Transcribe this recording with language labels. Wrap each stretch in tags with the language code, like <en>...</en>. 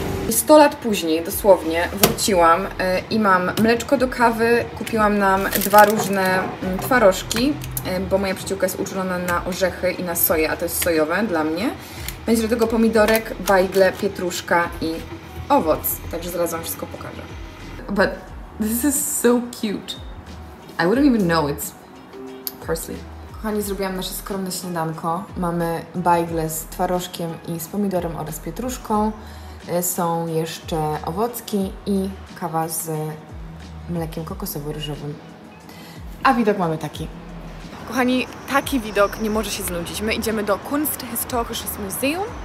<pl>100 lat później, dosłownie, wróciłam i mam mleczko do kawy, kupiłam nam dwa różne twarożki, bo moja przyjaciółka jest uczulona na orzechy i na soję, a to jest sojowe dla mnie. Będzie do tego pomidorek, bajgle, pietruszka i owoc, także zaraz wam wszystko pokażę.</pl> <en>But this is so cute. I wouldn't even know it's parsley.</en> <pl>Kochani, zrobiłam nasze skromne śniadanko. Mamy bajgle z twarożkiem i z pomidorem oraz pietruszką. Są jeszcze owocki i kawa z mlekiem kokosowo-ryżowym. A widok mamy taki. Kochani, taki widok nie może się znudzić. My idziemy do Kunsthistorisches Museum.</pl>